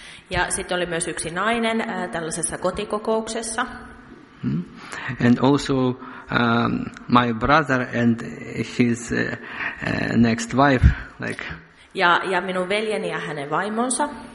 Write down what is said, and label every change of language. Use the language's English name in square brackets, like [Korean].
[Finnish] Ja sitten oli myös yksi nainen tällaisessa kotikokouksessa. [English] And also my brother and his next wife, like. [Finnish] Ja minun veljeni ja hänen vaimonsa.